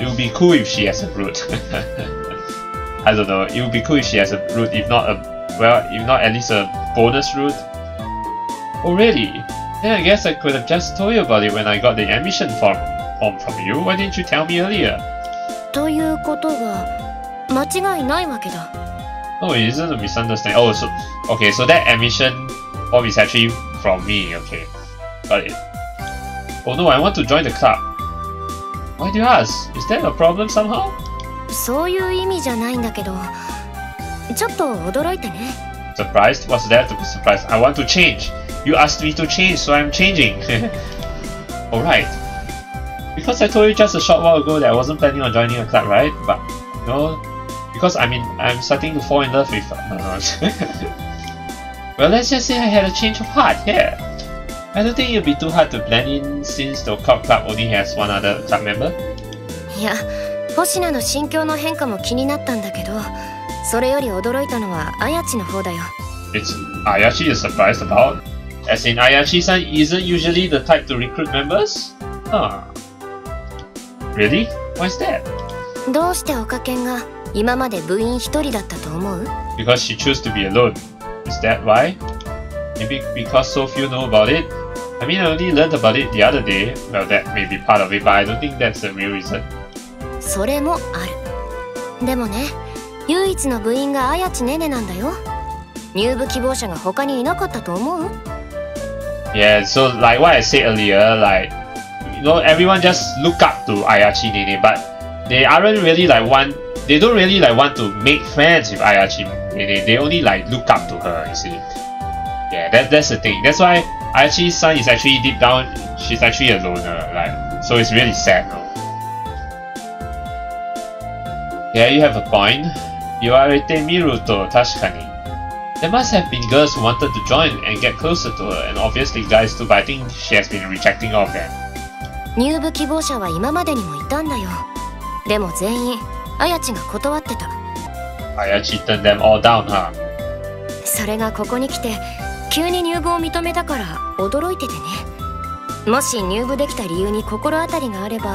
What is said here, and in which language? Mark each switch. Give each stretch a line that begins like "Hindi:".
English: It would be cool if she has a root. I don't know, it would be cool if she has a root, if not at least a bonus root. Oh really? Then I guess I could have just told you about it when I got the admission form. From you? Why didn't you tell me earlier?
Japanese: ということは、間違いないわけだ。
English: No, it isn't a misunderstanding. Oh, so, okay, so that admission form is actually from me, okay. Got it. Oh no, I want to join the club. Why do you ask? Is that a problem somehow?
Japanese: そういう意味じゃないんだけど、ちょっと驚いてね。
English: Surprised? What's there to be surprised? I want to change. You asked me to change, so I'm changing. Alright. Because I told you just a short while ago that I wasn't planning on joining a club, right? But, you know, because I mean, I'm starting to fall in love with... well, let's just say I had a change of heart, yeah. I don't think it'll be too hard to blend in since the occult club only has one other club member.
Japanese: Yeah, Hoshina's 心境の変化も気になったんだけど、それより驚いたのは Ayachi の方だよ。
English: It's Ayachi is surprised about? As in, Ayachi-san isn't usually the type to recruit members? Huh. Really? Why is that?
Japanese: どうしてオカケンが今まで部員一人だったと思う？
English: Because she chose to be alone. Is that why? Maybe because so few know about it? I mean, I only learned about it the other day. Well, that may be part of it, but I don't think that's the real reason.
Japanese: それもある。でもね、唯一の部員がアヤチネネなんだよ。入部希望者が他にいなかったと思う？
English: Yeah, so like what I said earlier, like... You know, everyone just look up to Ayachi Nene, but they aren't really like want, they don't really like want to make friends with Ayachi Nene. They only like look up to her, you see. Yeah, that's the thing. That's why Ayachi's son is actually deep down, she's actually a loner, like, so it's really sad, no? Yeah, you have a point. Yoarete miruto, tashikani. There must have been girls who wanted to join and get closer to her, and obviously guys too, but I think she has been rejecting all of them.
Japanese: 入部希望者は今までにもいたんだよ。でも全員、アヤチが断ってた。
English: アヤチ turned them all down, huh?
Japanese: それがここに来て、急に入部を認めたから驚いててね。もし入部できた理由に心当たりがあれば、